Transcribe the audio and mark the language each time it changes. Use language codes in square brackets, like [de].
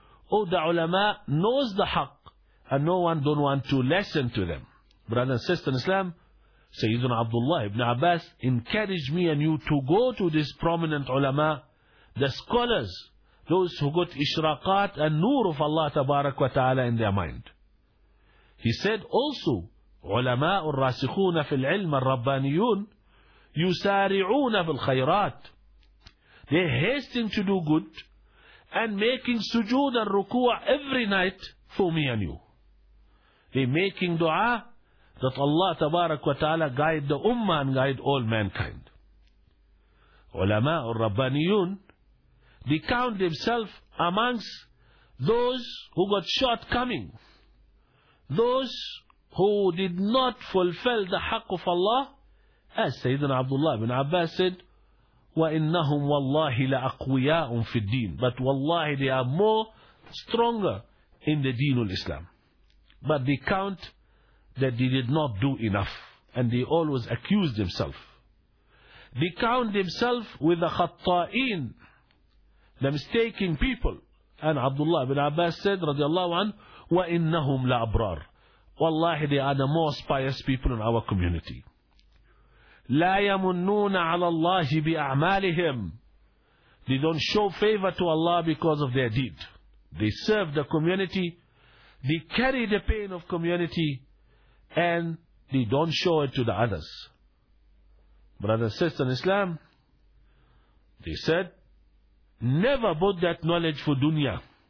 [en] Oh, the ulama knows the haqq, and no one don't want to listen to them. Brother and sister in Islam, Sayyidina Abdullah ibn Abbas encouraged me and you to go to this prominent ulama, the scholars, those who got ishraqat and nur of Allah tabarak wa ta'ala in their mind. He said also, [ar] علماء الراسخون في العلم الربانيون يسارعون في الخيرات. [en] They're hasting to do good and making sujood and ruku' every night for me and you. They're making dua that Allah tabarak wa ta'ala guide the ummah and guide all mankind. [ar] علماء الربانيون, [en] they count themselves amongst those who got shortcoming, those who did not fulfill the haqq of Allah, as Sayyidina Abdullah ibn Abbas said, [ar] وَإِنَّهُمْ وَاللَّهِ لَأَقْوِيَاءٌ فِي الدِّينِ. [en] But wallahi, they are more stronger in the deen of Islam. But they count that they did not do enough, and they always accuse themselves. They count themselves with the khatta'een, the mistaken people. And Abdullah ibn Abbas said, radiallahu anhu, [ar] وَإِنَّهُمْ لَأَبْرَارٌ. [en] والله they are the most pious people in our community. [ar] لا يمنون على الله بأعمالهم. [en] They don't show favor to Allah because of their deed. They serve the community, they carry the pain of community, and they don't show it to the others. Brother and sister in Islam, they said, never bought that knowledge for dunya.